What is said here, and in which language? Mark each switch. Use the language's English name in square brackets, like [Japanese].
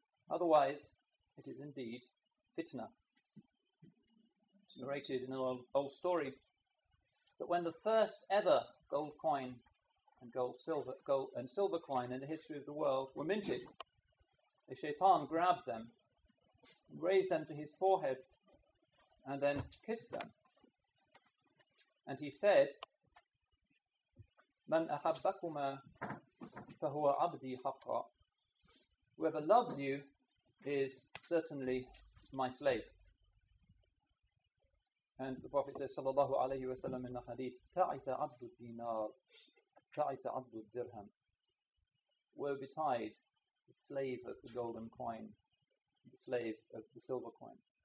[English] Otherwise, it is indeed fitna. It's narrated in an old story that when the first ever gold coin and gold and silver coin in the history of the world were minted, the shaitan grabbed them, raised them to his forehead, and then kissed them. And he said, [Arabic] مَنْ أَحَبَّكُمَا فَهُوَ عَبْدِي حَقًّا. [English] Whoever loves you is certainly my slave. And the Prophet says, sallallahu alayhi wa sallam, in the hadith, [Arabic] تَعِسَ عَبْدُ الدِّينَارِ تَعِسَ عَبْدُ الدِّرْهَمِ. [English] Woe betide the slave of the golden coin, the slave of the silver coin.